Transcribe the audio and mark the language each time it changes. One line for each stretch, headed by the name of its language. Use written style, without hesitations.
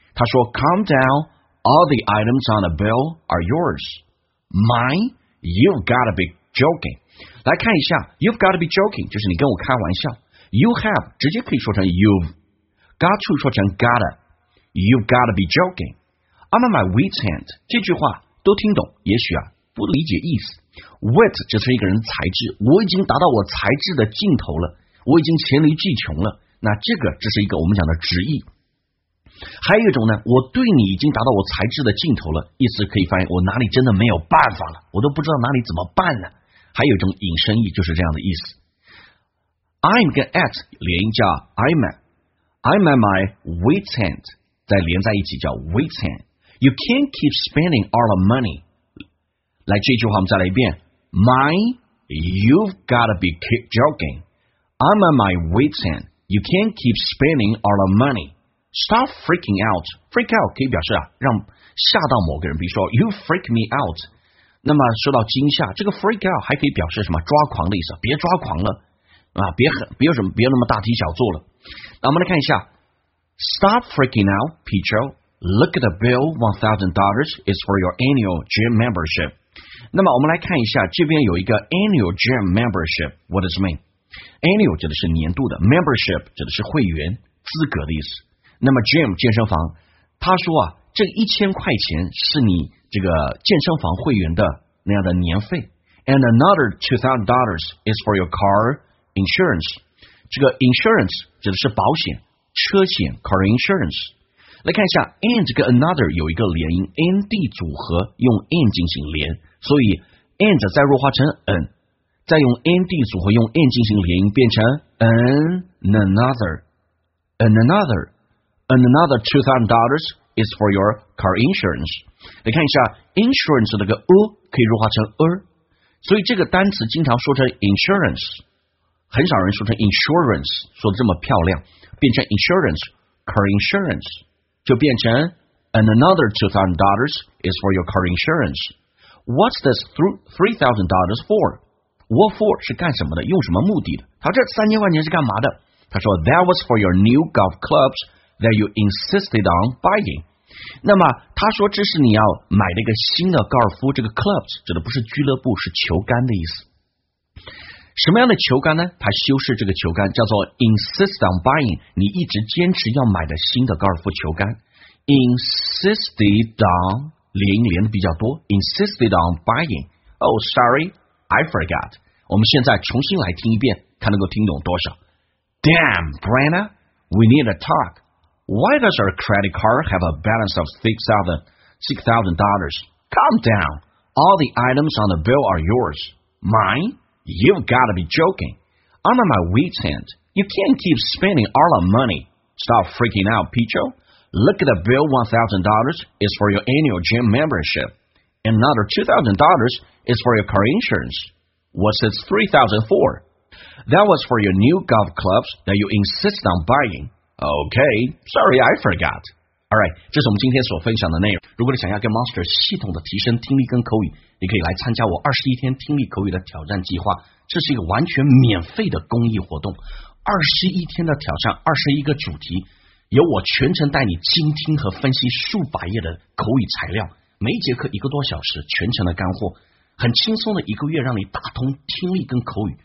Chinese: 他说
English: calm downAll the items on the bill are yours. Mine? You've got to be joking.
Chinese: 来看一下 ,
English: you've got to be joking,
Chinese: 就是你跟我开玩笑。
English: You have,
Chinese: 直接可以说成
English: you've. Got to 说成 gotta. You've got to be joking. I'm on my wit's end.
Chinese: 这句话都听懂，也许啊，不理解意思。Wit 就是一个人才智，我已经达到我才智的尽头了，我已经黔驴技穷了。那这个只是一个我们讲的直译。还有一种呢，我对你已经达到我才智的尽头了，意思可以翻译我哪里真的没有办法了，我都不知道哪里怎么办呢。还有一种引申意就是这样的意思。 I'm 跟 at 连音叫 I'm at my wit's end， 再连在一起叫 wit's end。
English: You can't keep spending all the money，
Chinese: 来这句话我们再来一遍。
English: Mine you've gotta be joking， I'm at my wit's end， You can't keep spending all the moneyStop freaking out.
Chinese: Freak out 可以表示啊，让吓到某个人，比如说
English: You freak me out.
Chinese: 那么受到惊吓，这个 freak out 还可以表示什么？抓狂的意思，别抓狂了啊，别狠，别有什么，别那么大题小做了。那我们来看一下
English: ，Stop freaking out, Pichu. Look at the bill. $1,000 is for your annual gym membership.
Chinese: 那么我们来看一下，这边有一个 annual gym membership.
English: What does it mean?
Chinese: Annual 指的是年度的 ，membership 指的是会员资格的意思。那么 gym 健身房，他说啊，这1000块钱是你这个健身房会员的那样的年费。
English: And another $2,000 is for your car insurance。
Chinese: 这个 insurance 指的是保险，车险 car insurance。来看一下 and 跟 another 有一个连音 ，and 组合用 and 进行连，所以 and 再弱化成 an， 再用 and 组合用 and 进行连音，变成 another。
English: And another $2,000 is for your car insurance.
Chinese: 你看一下 insurance 的那个 a 可以弱化成 a， 所以这个单词经常说成 insurance， 很少人说成 insurance， 说的这么漂亮，变成 insurance， car insurance 就变成
English: and another $2,000 is for your car insurance. What's this $3,000 for? What for
Chinese: 是干什么的？用什么目的的？他说这3000块钱是干嘛的？他说
English: that was for your new golf clubs. That you insisted on buying.
Chinese: 那么他说这是你要买的一个新的高尔夫，这个 clubs 指的不是俱乐部，是球杆的意思。什么样的球杆呢？他修饰这个球杆叫做 insist on buying， 你一直坚持要买的新的高尔夫球杆。 Insisted on 连一连的比较多 ，insisted on buying。
English: Oh, sorry, I forgot。
Chinese: 我们现在重新来听一遍，看能够听懂多少。
English: Damn, Brenna, we need a talk. Why does our credit card have a balance of $6,000? Calm down. All the items on the bill are yours. Mine? You've got to be joking. I'm on my wits' end. You can't keep spending all our money. Stop freaking out, Picho. Look at the bill, $1,000 is for your annual gym membership. Another $2,000 is for your car insurance. What's this $3,004? That was for your new golf clubs that you insist on buying. Okay, sorry, I forgot. All right,
Chinese: 这是我们今天所分享的内容。如果你想要跟 Monster 系统的提升听力跟口语，你可以来参加我21天听力口语的挑战计划。这是一个完全免费的公益活动。21天的挑战，21个主题，由我全程带你精听和分析数百页的口语材料，每一节课一个多小时，全程的干货，很轻松的一个月让你打通听力跟口语。